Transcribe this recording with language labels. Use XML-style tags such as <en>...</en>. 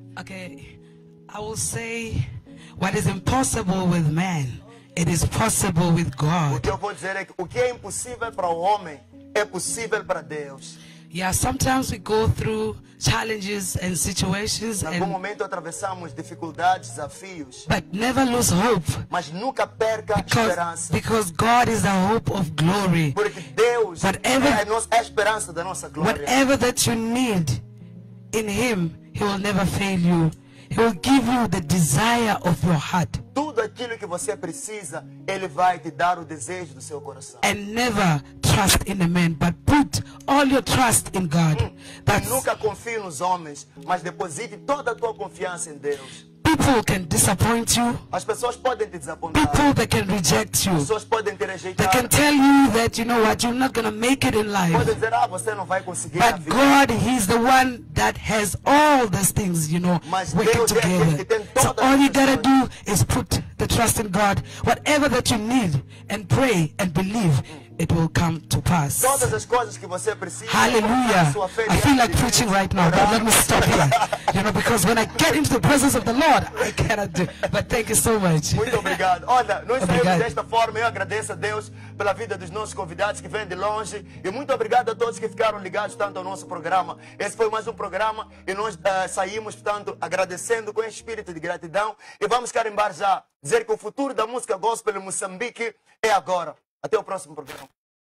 <en>Okay, I will say what is impossible with man, it is possible with God.</en> <pt>O que eu vou dizer é que o que é impossível para o homem é possível para Deus.</pt> <en>Yeah, sometimes we go through challenges and situations.</en> <pt>Em algum momento atravessamos dificuldades, desafios.</pt> <en>But never lose hope.</en> <pt>Mas nunca perca esperança.</pt> <en>Because God is the hope of glory.</en> <pt>Porque Deus</pt> <en>whatever,</en> <pt>é a nossa esperança da nossa glória.</pt> <en>Whatever that you need in Him, He will never fail you. He will give you the desire of your heart.</en> <pt>Tudo aquilo que você precisa, Ele vai te dar o desejo do seu coração.</pt> <en>And never trust in a man, but put all your trust in God.</en> <pt>E nunca confie nos homens, mas deposite toda a tua confiança em Deus.</pt> <en>People can disappoint you.</en> <pt>As pessoas podem te desapontar.</pt> <en>People that can reject you.</en> <pt>As pessoas podem te rejeitar.</pt> <en>They can tell you that, you know what, you're not going to make it in life.</en> <pt>Pode dizer, ah, você não vai conseguir.</pt> <en>But God, He's the one that has all these things, you know,</en> <pt>mas</pt> <en>working</en> <pt>Deus</pt> <en>together.</en> <pt>É que tem todas</pt> <en>so all you got to do is put the trust in God. Whatever that you need and pray and believe, it will come to pass.</en> <pt>Todas as coisas que você precisa.</pt> <en>Hallelujah. I feel like preaching right now, but let me stop here. You know, because when I get into the presence of the Lord, I cannot do. But thank you so much.</en> <pt>Muito obrigado. Olha, nós saímos desta forma. Eu agradeço a Deus pela vida dos nossos convidados que vêm de longe. E muito obrigado a todos que ficaram ligados tanto ao nosso programa. Esse foi mais um programa e nós saímos, portanto, agradecendo com espírito de gratidão. E vamos carimbar já, dizer que o futuro da música gospel em Moçambique é agora. Até o próximo programa.</pt>